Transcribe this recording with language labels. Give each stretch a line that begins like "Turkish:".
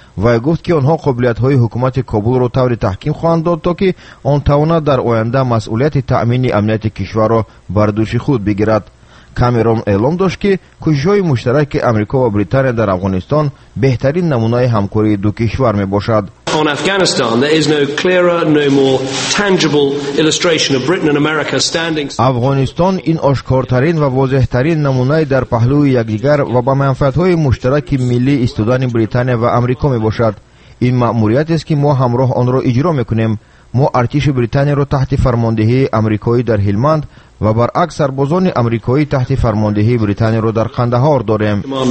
Persian: و گفت که آنها قابلیت های حکومت کابل را طور تحکیم خواهند داد تا که آن تواند در آینده مسئولیت تأمین امنیت کشور را بر دوش خود بگیرد. کامیرون اعلام داشت که کوشش های مشترک آمریکا و بریتانیا در افغانستان بهترین نمونه همکاری دو کشور می باشد.
English: On Afghanistan, there is no clearer, no more tangible illustration of Britain and America standing.
Persian: افغانستان این آشکارترین و واضحترین نمونه در پهلوی یکدیگر و با منفعت‌های مشترک ملی استودان بریتانیا و آمریکا می باشد. این مأموریت است که ما همراه آن را اجرا می‌کنیم. ما ارتش بریتانیا را تحت فرماندهی آمریکایی در هلمند و برعکس سربازان آمریکایی تحت فرماندهی بریتانیا را در قندهار داریم.